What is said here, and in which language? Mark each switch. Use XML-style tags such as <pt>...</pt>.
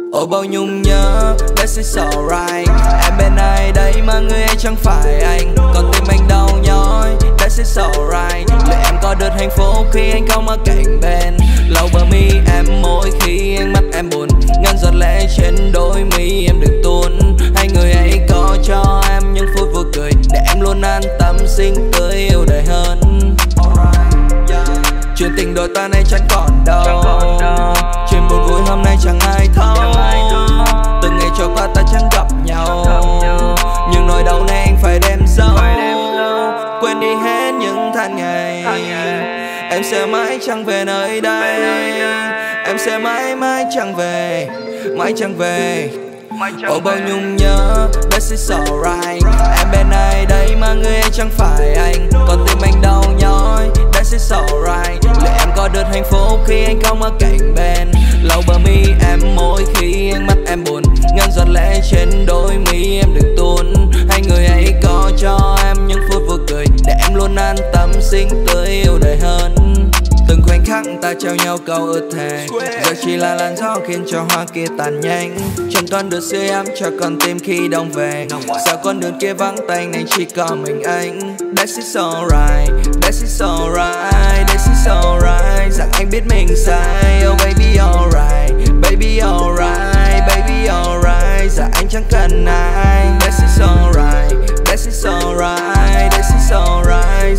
<vi>bao nhung nhớ,</vi> <en>this is alright.</en> <vi>Em bên ai đây mà người ấy chẳng phải anh. Còn tim anh đau nhói,</vi> <en>this is alright.</en> <vi>Liệu em có được hạnh phúc khi anh không ở cạnh bên? Lover me em mỗi khi ánh mắt em buồn, ngăn giọt lệ trên đôi mi em đừng tuôn. Hai người ấy có cho em những phút vui cười để em luôn an tâm xinh tươi yêu đời hơn. Chuyện tình đôi ta này chẳng còn đâu, chuyện buồn vui hôm nay chẳng ai thấu. Từng ngày trôi qua ta chẳng gặp nhau, nhưng nỗi đau này anh phải đem giấu. Quên đi hết những tháng ngày, em sẽ mãi chẳng về nơi đây. Em sẽ mãi mãi chẳng về, mãi chẳng về. Ôi bao nhung nhớ,</vi> <en>this is alright.</en> <vi>Em bên ai đây mà người ấy chẳng phải anh. Còn tim anh đau nhói,</vi> <en>this is alright.</en> <vi>Liệu em có được hạnh phúc khi anh không ở cạnh bên? Lover me em mỗi khi ánh mắt em buồn, ngăn giọt lệ trên đôi mi em đừng tuôn. Hai người ấy có cho em những phút vui cười để em luôn an tâm xinh tươi yêu đời hơn. Từng khoảnh khắc ta trao nhau câu ước thề, giờ chỉ là làn gió khiến cho hoa kia tàn nhanh. Chẳng còn được sưởi ấm cho con tim khi đông về. Sao con đường kia vắng tanh nên chỉ có mình anh.</vi> <en>This is alright, this is alright, this is alright.</en> <vi>Rằng anh biết mình sai,</vi> <en>oh baby alright, baby alright, baby alright.</en> <vi>Rằng anh chẳng cần ai.</vi> <en>This is alright, this is alright, this is alright.</en>